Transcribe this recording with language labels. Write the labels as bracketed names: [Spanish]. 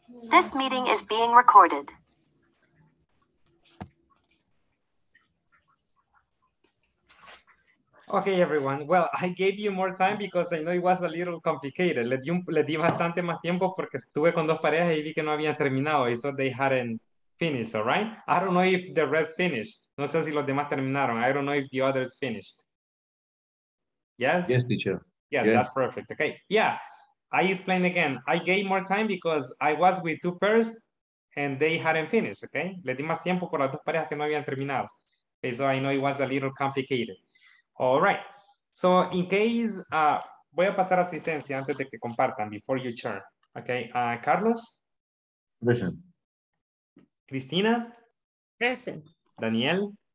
[English] This meeting is being recorded. Okay, everyone. Well, I gave you more time because I know it was a little complicated. [Spanish] Le di bastante más tiempo porque estuve con dos parejas y vi que no habían terminado. [English] Y so they hadn't finished, all right? I don't know if the rest finished. [Spanish] No sé si los demás terminaron. [English] I don't know if the others finished. Yes? Yes, teacher. Yes, that's perfect. Okay, yeah. I explain again. I gave more time because I was with two pairs and they hadn't finished, okay? [Spanish] Le di más tiempo por las dos parejas que no habían terminado. [English] Okay, so I know it was a little complicated. All right. So in case, [Spanish] voy a pasar asistencia antes de que compartan, [English] before you turn. Okay, Carlos? Present. Cristina? Present. Daniel?